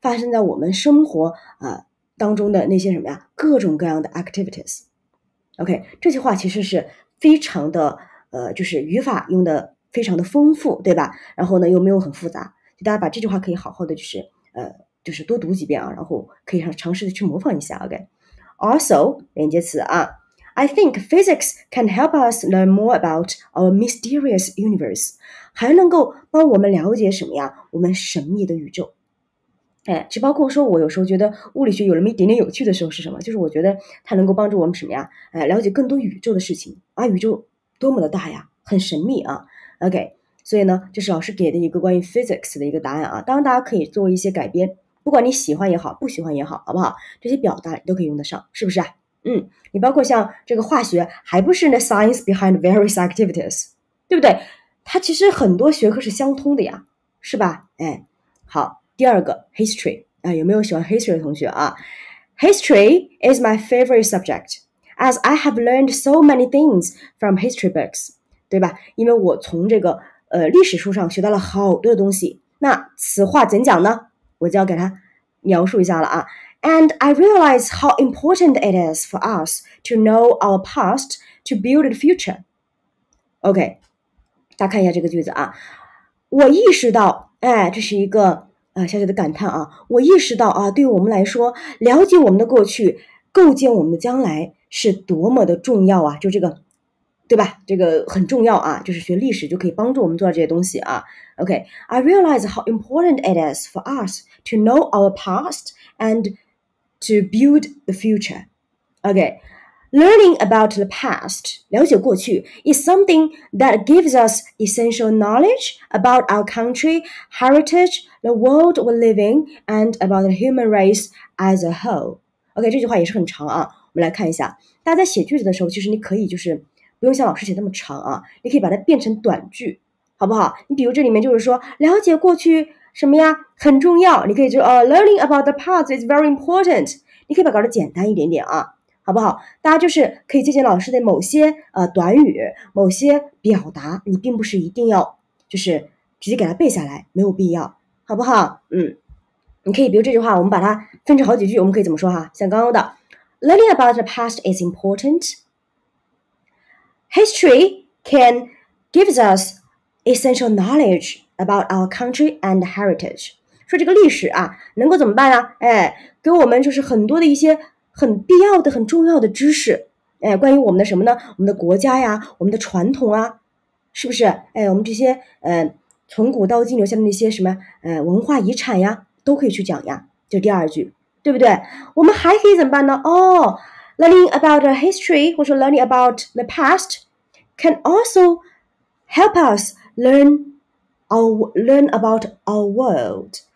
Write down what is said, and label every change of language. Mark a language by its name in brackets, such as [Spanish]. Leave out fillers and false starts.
[Chinese] 发生在我们生活当中的那些什么呀？各种各样的 activities。 OK， 这句话其实是非常的就是语法用的非常的丰富，对吧？然后呢，又没有很复杂，就大家把这句话可以好好的就是多读几遍啊，然后可以尝试的去模仿一下。 OK。 [English] Also, [Chinese] 连接词啊 [English] I think physics can help us learn more about our mysterious universe. [Chinese] 还能够帮我们了解什么呀？我们神秘的宇宙。就包括说我有时候觉得物理学有那么一点点有趣的时候是什么？就是我觉得它能够帮助我们什么呀？了解更多宇宙的事情。啊，宇宙多么的大呀，很神秘啊。OK, 所以呢，这是老师给的一个关于 physics 的一个答案啊。当然大家可以做一些改编。不管你喜欢也好，不喜欢也好，好不好？这些表达你都可以用得上，是不是啊？你包括像这个化学，还不是那 [English] science behind various activities, [Chinese] 对不对？它其实很多学科是相通的呀，是吧？好，第二个 history, 有没有喜欢 history 的同学啊？ [English] History is my favorite subject, as I have learned so many things from history books, [Chinese] 对吧？因为我从这个历史书上学到了好多的东西。那此话怎讲呢？我就要给他描述一下了啊。 [English] And I realize how important it is for us to know our past to build the future. [Chinese] OK, 大家看一下这个句子啊。我意识到，这是一个小小的感叹啊。我意识到啊，对于我们来说，了解我们的过去，构建我们的将来是多么的重要啊。就这个，对吧？这个很重要啊，就是学历史就可以帮助我们做这些东西啊。 [English] OK, I realize how important it is for us to know our past and to build the future. OK, learning about the past, [Chinese] 了解过去, [English] is something that gives us essential knowledge about our country, heritage, the world we live in, and about the human race as a whole. [Chinese] OK, 这句话也是很长啊，我们来看一下。大家在写句子的时候，其实你可以就是不用像老师写那么长啊，你可以把它变成短句，好不好？你比如这里面就是说，了解过去什么呀很重要，你可以就 [English] learning about the past is very important, [Chinese] 你可以把它搞得简单一点点啊，好不好？大家就是可以借鉴老师的某些短语，某些表达，你并不是一定要就是直接给它背下来，没有必要，好不好？你可以比如这句话，我们把它分成好几句，我们可以怎么说哈？ [English] 像刚刚的 learning about the past is importantHistory can give us essential knowledge about our country and heritage. [Chinese] 说这个历史啊，能够怎么办啊？给我们就是很多的一些很必要的、很重要的知识。关于我们的什么呢？我们的国家呀，我们的传统啊，是不是？我们这些从古到今留下的那些什么文化遗产呀，都可以去讲呀。就第二句，对不对？我们还可以怎么办呢？ [English] Learning about the history, [Chinese] 或者 [English] learning about the past, can also help us learn about our world.